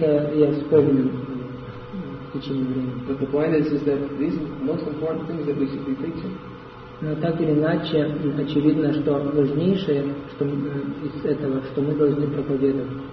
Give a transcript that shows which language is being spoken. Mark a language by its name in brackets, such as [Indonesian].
[Russian] Это я вспомнил в течение времени. [English] But the point is that these most important things that we should be preaching. [Russian] Но так или иначе, очевидно, что важнейшее, что из этого, что мы должны проповедовать.